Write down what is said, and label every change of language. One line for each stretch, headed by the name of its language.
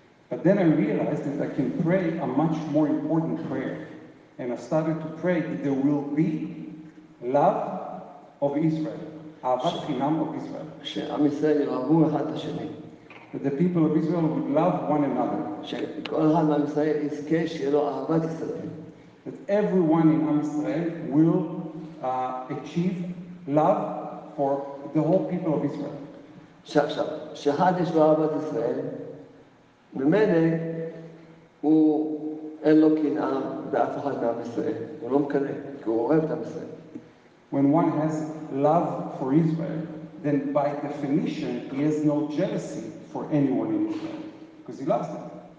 English: But then I realized that I can pray a much more important prayer. And I started to pray that there will be love of Israel.
Hebrew: אהבת חינם
English: of Israel.
Hebrew: שעם ישראל יאהבו אחד השני.
English: That the people of Israel would love one another.
Hebrew: שכל אחד מעם ישראל יזכה שיהיה לו אהבת ישראל.
English: That everyone in
Hebrew: עם ישראל
English: will achieve love for the whole people of Israel.
Hebrew: עכשיו, שאחד יש לו אהבת ישראל, במילא הוא אין לו קנאה באף אחד מעם ישראל. הוא לא מקנא, כי הוא אוהב את עם ישראל.
English: When one has love for Israel, then by definition he has no jealousy for anyone in Israel, because he loves them.